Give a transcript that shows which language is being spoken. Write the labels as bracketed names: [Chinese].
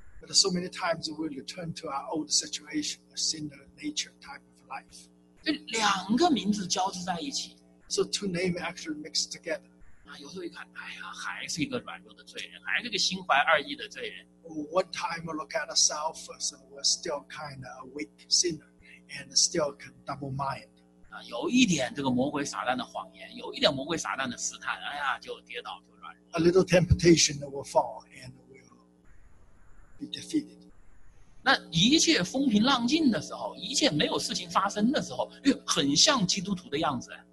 [English] But so many times we return to our old situation, a sinner nature type of life. [Chinese] 这两个名字交织在一起。 [English] So two names actually mixed together. [Chinese] 啊，有时候一看，哎呀，还是一个软弱的罪人，还是一个心怀二意的罪人。 [English] One time we look at ourselves, and we're still kind of a weak sinner. And still can double mind. [Chinese] 啊，有一点这个魔鬼撒旦的谎言，有一点魔鬼撒旦的试探，哎呀，就跌倒，就软弱。 [English] A little temptation will fall and will be defeated. [Chinese] 那一切风平浪静的时候，一切没有事情发生的时候，很像基督徒的样子。